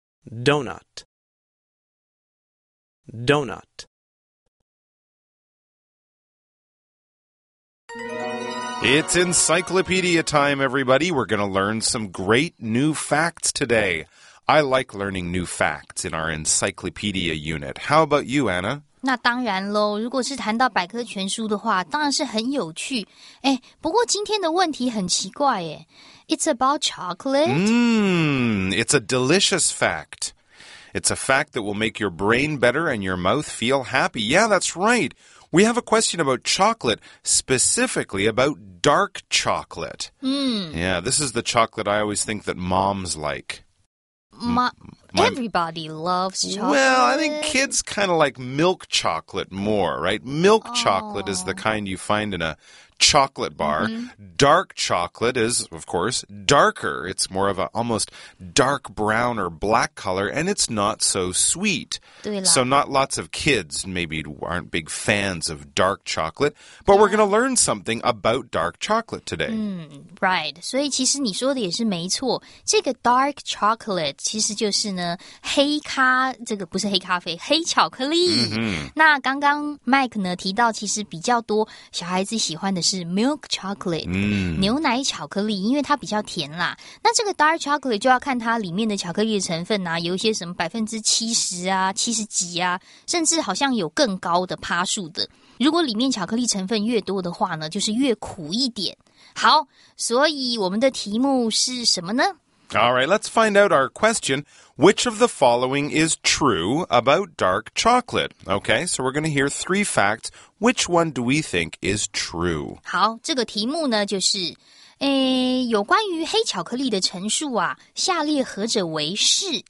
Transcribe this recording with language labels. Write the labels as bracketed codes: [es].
[en] Donut, donut. It's encyclopedia time, everybody. We're going to learn some great new facts today. I like learning new facts in our encyclopedia unit. How about you, Anna? [zh] 那当然咯，如果是谈到百科全书的话，当然是很有趣。哎，不过今天的问题很奇怪耶。 [en] It's about chocolate? It's a delicious fact. It's a fact that will make your brain better and your mouth feel happy. Yeah, that's right. We have a question about chocolate, specifically about dark chocolate. Yeah, this is the chocolate I always think that moms like. Everybody loves chocolate. Well, I think kids kind of like milk chocolate more, right? Milk chocolate is the kind you find in a chocolate bar. Dark chocolate is, of course, darker. It's more of an almost dark brown or black color, and it's not so sweet. So not lots of kids maybe aren't big fans of dark chocolate, but we're going to learn something about dark chocolate today. Right. [zh] 所以其实你说的也是没错。这个 dark chocolate 其实就是呢黑咖，这个不是黑咖啡，黑巧克力。那刚刚 Mike 呢提到其实比较多小孩子喜欢的是 milk chocolate、牛奶巧克力，因为它比较甜啦。那这个 dark chocolate 就要看它里面的巧克力的成分啊，有一些什么70%啊70%啊，甚至好像有更高的趴数的。如果里面巧克力成分越多的话呢，就是越苦一点。好，所以我们的题目是什么呢？ [en] All right, let's find out our question. Which of the following is true about dark chocolate? Okay, so we're going to hear three facts. Which one do we think is true? [zh] 好，这个题目呢就是，有关于黑巧克力的陈述啊，下列何者为是？